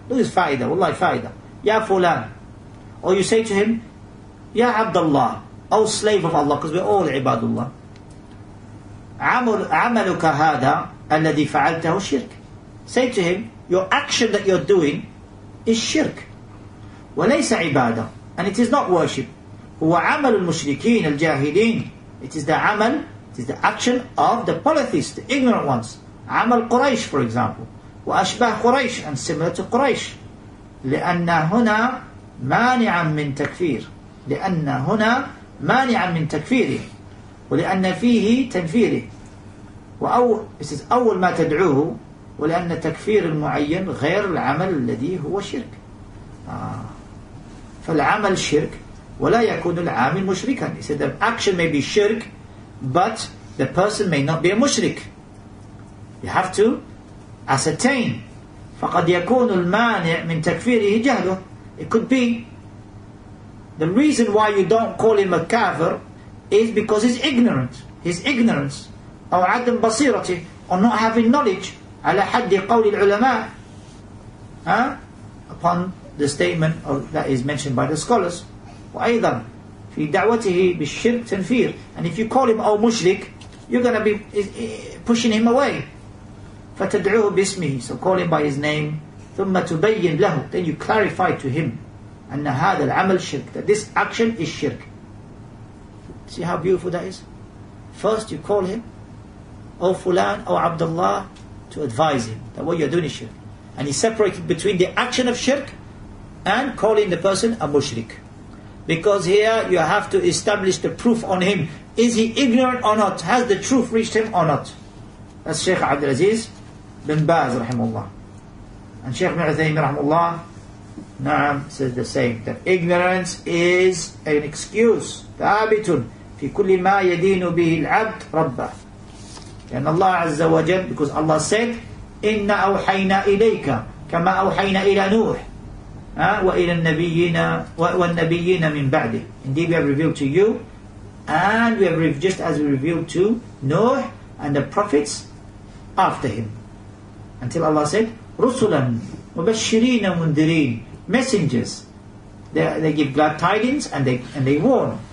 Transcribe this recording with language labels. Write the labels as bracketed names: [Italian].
[English] Look at his faida, wallahi faida. Ya fulan. Or you say to him, ya Abdullah, oh slave of Allah, because we're all ibadullah. [Arabic] عملك هذا الذي فعلته شرك. [English] Say to him, your action that you're doing is shirk. [Arabic] وليس عبادة. [English] And it is not worship. [Arabic] هو عمل المشركين الجاهلين. [English] It is the عمل, it is the action of the polytheists, the ignorant ones. [Arabic] عمل قريش, [English] for example. [Arabic] وأشبه قريش, [English] and similar to قريش. [Arabic] لأن هنا مانعا من تكفير. لأن هنا مانعا من تكفيره. ولأن فيه تنفيره. [English] This is [Arabic] أول ما تدعوه. ولأن تكفير المعين غير العمل الذي هو شرك. فالعمل شرك ولا يكون العامل مشركا. [English] He said the action may be shirk, but the person may not be a mushrik. You have to ascertain. [Arabic] فقد يكون المانع من تكفيره جهله. [English] It could be the reason why you don't call him a kafir is because he's ignorant. His ignorance [Arabic] أو عدم بصيرته, [English] or not having knowledge [Arabic] على حد قول العلماء, [English] upon the statement of, that is mentioned by the scholars. [Arabic] وأيضا في دعوته بالشرك تنفير. [English] And if you call him [Arabic] أو مشرك, [English] you're going to be pushing him away. [Arabic] فتدعوه باسمه, [English] so call him by his name. [Arabic] ثم تبين له, [English] then you clarify to him [Arabic] أن هذا العمل شرك, [English] that this action is shirk. See how beautiful that is? First you call him, O Fulan, O Abdullah, to advise him that what you're doing is shirk. And he separated between the action of shirk and calling the person a mushrik. Because here you have to establish the proof on him. Is he ignorant or not? Has the truth reached him or not? That's Shaykh Abdul Aziz bin Baz, rahimullah. And Shaykh bin Uthaymeen, rahimullah, Naam, says the same, that ignorance is an excuse. [Arabic] ثابتٌ في كل ما يدين به العبد ربه. لأن الله عز وجل, [English] because Allah said, [Arabic] إِنَّ أَوْحَيْنَا إِلَيْكَ كَمَا أَوْحَيْنَا إِلَى نُوحٍ وَإِلَى النَّبِيِّينَ وَالنَّبِيِّينَ مِنْ بَعْدِهِ. [English] Indeed, we have revealed to you, and we have just as we revealed to Nuh and the prophets after him. Until Allah said, [Arabic] رُسُلًا وَبَشِّرِينَ مُنْدِرِينَ. [English] Messengers, they give glad tidings and they warn.